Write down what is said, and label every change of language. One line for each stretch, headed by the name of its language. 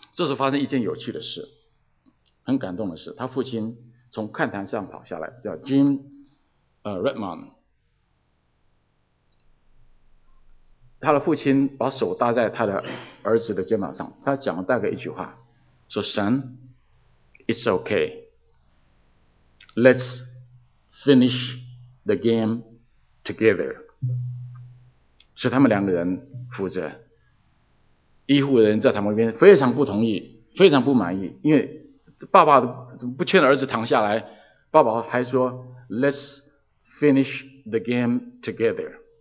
Chinese: 这时发生一件有趣的事，很感动的事，他父亲从看台上跑下来，叫 Jim Redmond，他的父亲把手搭在他的儿子的肩膀上，他讲了大概一句话，说
English: Son, it's okay. Let's finish the game together.
Chinese: 所以他们两个人扶着，医护人在他们那边非常不同意，非常不满意，因为爸爸不劝儿子躺下来，爸爸还说
English: Let's finish the game together.